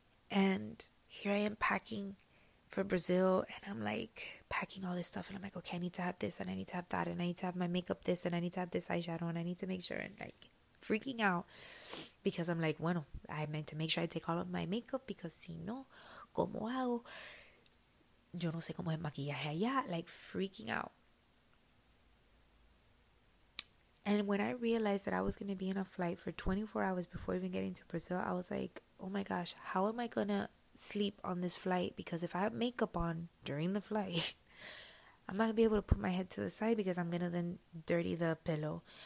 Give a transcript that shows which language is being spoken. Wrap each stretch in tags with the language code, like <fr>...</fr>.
<en>And here I am packing for Brazil, and I'm like packing all this stuff, and I'm like, okay, I need to have this, and I need to have that, and I need to have my makeup this, and I need to have this eyeshadow, and I need to make sure, and like freaking out because I'm like, bueno, I meant to make sure I take all of my makeup because</en> <es>si no, ¿cómo hago? Yo no sé cómo es el maquillaje allá,</es> <en>like freaking out. And when I realized that I was going to be in a flight for 24 hours before even getting to Brazil, I was like, oh my gosh, how am I going to sleep on this flight? Because if I have makeup on during the flight, I'm not going to be able to put my head to the side because I'm going to then dirty the pillow.</en>